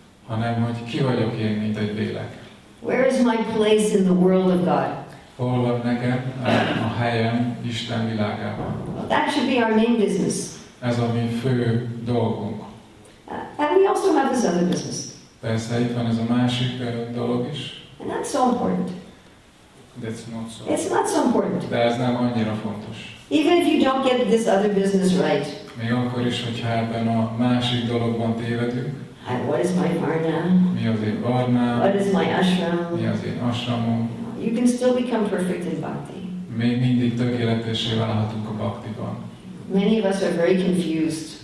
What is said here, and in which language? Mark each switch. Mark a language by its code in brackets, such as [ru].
[hu] Hanem hogy ki vagyok én, mint egy lélek. [en] Where is my place in the world of God? [hu] Hol van nekem a helyem Isten világában? [en] Well, that should be our main business. [hu] Ez a mi fő dolgunk. [en] And we also have this other business. [hu] Persze, itt van ez a másik dolog is. [en] And that's so important. That's not so. It's not so important. [hu] De ez nem annyira fontos. [en] Even if you don't get this other business right. [hu] Még akkor is, hogyha ebben a másik dologban tévedünk. [en] What is my varna? [hu] Mi az én varnám? [en] What is my ashram? [hu] Mi az én ashramom? [en] You can still become perfect in bhakti. [hu] Még mindig tökéletessé válhatunk a bhaktiban. [en] Many of us are very confused.